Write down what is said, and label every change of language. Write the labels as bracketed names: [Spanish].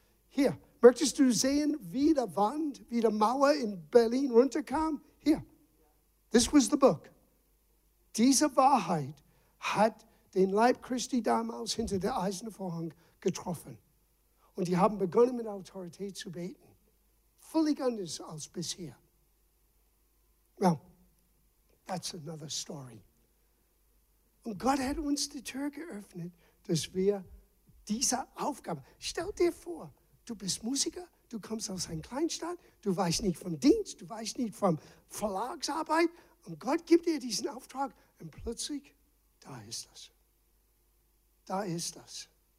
[German] Hier, möchtest du sehen, wie die Wand, wie die Mauer in Berlin runterkam? Hier, [English] this was the book. [German] Diese Wahrheit hat den Leib Christi damals hinter der Eisenvorhang getroffen. Und die haben begonnen, mit Autorität zu beten. Völlig anders als bisher. [English] Well, that's another story. [German] Und Gott hat uns die Tür geöffnet, dass wir diese Aufgabe, stell dir vor, du bist Musiker, du kommst aus einer Kleinstadt, du weißt nicht vom Dienst, du weißt nicht von Verlagsarbeit, und Gott gibt dir diesen Auftrag, und plötzlich, da ist das. Da ist das.